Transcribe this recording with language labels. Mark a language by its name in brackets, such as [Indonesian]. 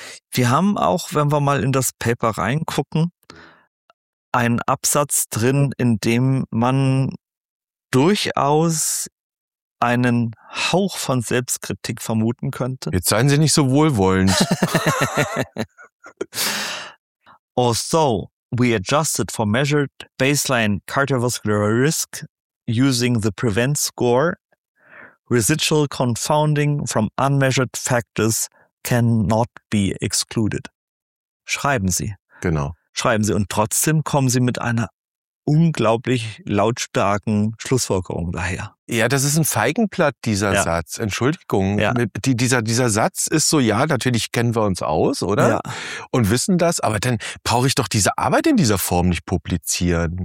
[German] Wir haben auch, wenn wir mal in das Paper reingucken, einen Absatz drin, in dem man durchaus einen Hauch von Selbstkritik vermuten könnte. Jetzt seien Sie nicht so wohlwollend. [English] Also, we adjusted for measured baseline cardiovascular risk using the PREVENT score. Residual confounding from unmeasured factors cannot be excluded. [German] Schreiben Sie. Genau. Schreiben Sie, und trotzdem kommen Sie mit einer unglaublich lautstarken Schlussfolgerung daher. Ja, das ist ein Feigenblatt, dieser Satz. Entschuldigung. Ja. Dieser Satz ist so, ja, natürlich kennen wir uns aus, oder? Ja. Und wissen das, aber dann brauche ich doch diese Arbeit in dieser Form nicht publizieren.